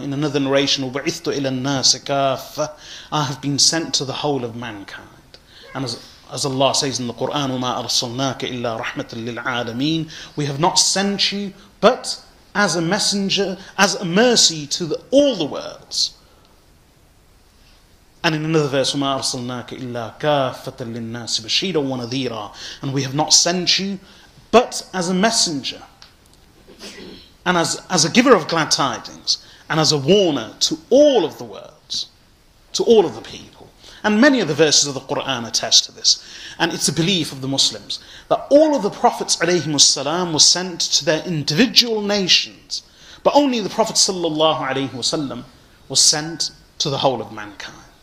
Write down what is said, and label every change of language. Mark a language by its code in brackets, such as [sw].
[en] In another narration, [ar] أُبْعِثْتُ إِلَى النَّاسِ كَافَّ. [en] I have been sent to the whole of mankind. And as Allah says in the Quran, [ar] وَمَا أَرْسَلْنَاكَ إِلَّا رَحْمَةً لِلْعَالَمِينَ. [en] We have not sent you, but as a messenger, as a mercy to all the worlds. And in another verse, [ar] وَمَا أَرْسَلْنَاكَ إِلَّا كَافَةً لِلنَّاسِ بَشِيرًا وَنَذِيرًا. [en] And we have not sent you but as a messenger and as a giver of glad tidings and as a warner to all of the worlds, to all of the people. And many of the verses of the Qur'an attest to this. And it's a belief of the Muslims that all of the prophets alayhi wasallam were sent to their individual nations, but only the Prophet sallallahu alayhi wasallam was sent to the whole of mankind.